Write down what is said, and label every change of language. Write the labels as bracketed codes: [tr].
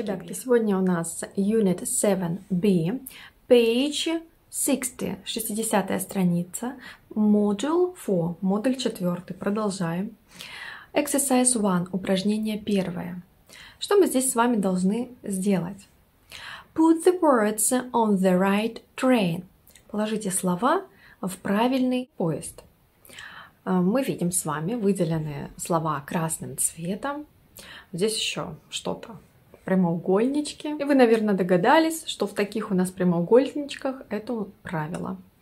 [ru] Ребятки, сегодня у нас [en] Unit 7B, Page [ru] 60-я страница, модуль 4, модуль 4. Продолжаем. [en] Exercise 1, [ru] упражнение 1. Что мы здесь с вами должны сделать? [en] Put the words on the right train. [ru] Положите слова в правильный поезд. Мы видим с вами выделенные слова красным цветом. Здесь еще что-то. Прямоугольнички. И вы, наверное, догадались, что в таких у нас прямоугольничках это правило.